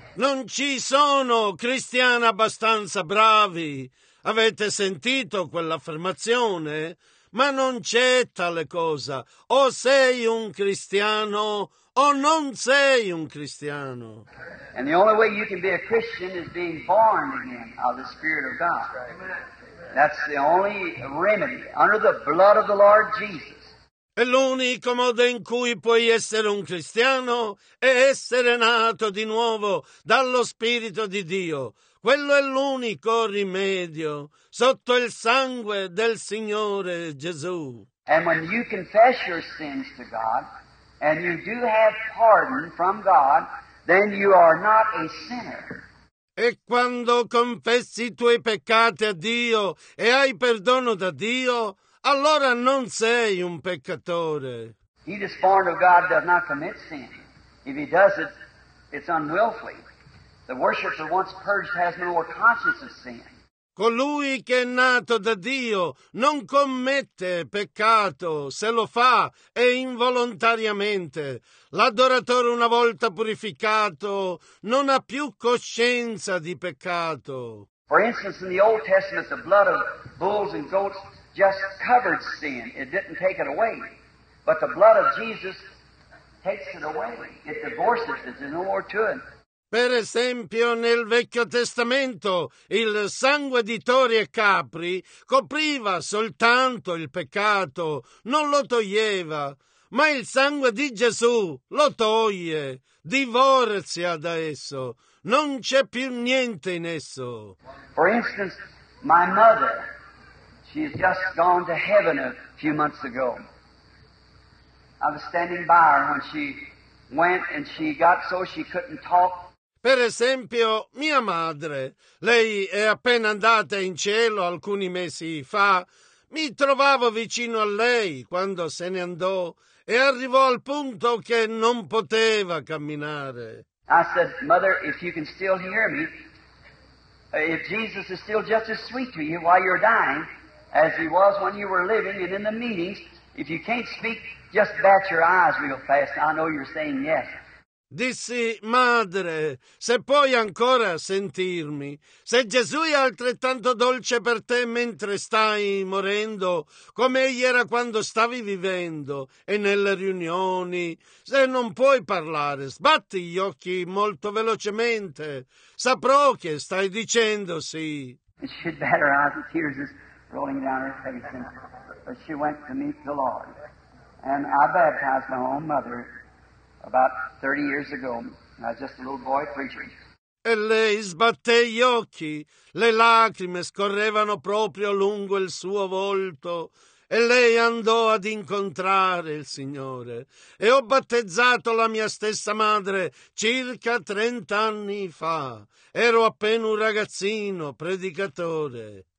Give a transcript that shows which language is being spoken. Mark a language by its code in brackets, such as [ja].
[it] Non ci sono cristiani abbastanza bravi. Avete sentito quell'affermazione? Ma non c'è tale cosa. O sei un cristiano o non sei un cristiano. [en] And the only way you can be a Christian is being born again of the Spirit of God. That's the only remedy under the blood of the Lord Jesus. [it] E l'unico modo in cui puoi essere un cristiano è essere nato di nuovo dallo Spirito di Dio. Quello è l'unico rimedio sotto il sangue del Signore Gesù. [en] And when you confess your sins to God and you do have pardon from God, then you are not a sinner. [it] E quando confessi i tuoi peccati a Dio e hai perdono da Dio, allora non sei un peccatore. [en] He that's born of God does not commit sin. If he does it, it's unwillfully. The worshipper once purged has no more conscience of sin. [it] Colui che è nato da Dio non commette peccato. Se lo fa, è involontariamente. L'adoratore, una volta purificato, non ha più coscienza di peccato. [en] For instance, in the Old Testament, the blood of bulls and goats just covered sin. It didn't take it away. But the blood of Jesus takes it away. It divorces it. There's no more to it. [it] Per esempio, nel Vecchio Testamento, il sangue di tori e capri copriva soltanto il peccato, non lo toglieva. Ma il sangue di Gesù lo toglie, divorzia da esso. Non c'è più niente in esso. [en] For instance, my mother, she has just gone to heaven a few months ago. I was standing by her when she went and she got so she couldn't talk. [it] Per esempio, mia madre, lei è appena andata in cielo alcuni mesi fa. Mi trovavo vicino a lei quando se ne andò e arrivò al punto che non poteva camminare. [en] I said, Mother, if you can still hear me, if Jesus is still just as sweet to you while you're dying as he was when you were living and in the meetings, if you can't speak, just bat your eyes real fast. I know you're saying yes. [it] Dissi, madre, se puoi ancora sentirmi, se Gesù è altrettanto dolce per te mentre stai morendo, come egli era quando stavi vivendo e nelle riunioni, se non puoi parlare, sbatti gli occhi molto velocemente, saprò che stai dicendo sì. [en] She bat her eyes with tears rolling down her face, and she went to meet the Lord. And I baptized my own mother about 30 years ago. I was just a little boy preacher. [it] e lei sbatté gli occhi. Le lacrime scorrevano proprio lungo il suo volto. E lei andò ad incontrare il Signore. E ho battezzato la mia stessa madre circa 30 anni fa. Ero appena un ragazzino, predicatore.